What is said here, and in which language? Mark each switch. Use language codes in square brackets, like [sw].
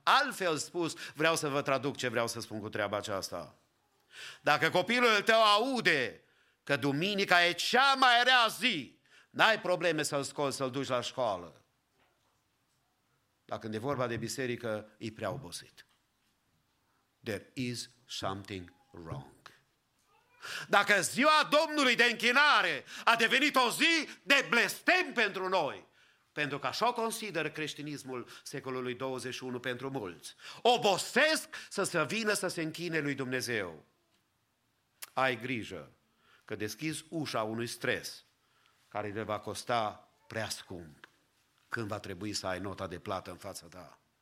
[ro] Altfel spus, vreau să vă traduc ce vreau să spun cu treaba aceasta. Dacă copilul tău aude că duminica e cea mai rea zi, n-ai probleme să-l scoți, să-l duci la școală. Dar când e vorba de biserică, e prea obosit. [en] There is something wrong. [ro] Dacă ziua Domnului de închinare a devenit o zi de blestem pentru noi, pentru că așa o consideră creștinismul secolului 21 pentru mulți, obosesc să se vină să se închine lui Dumnezeu. Ai grijă că deschizi ușa unui stres care te va costa prea scump când va trebui să ai nota de plată în fața ta.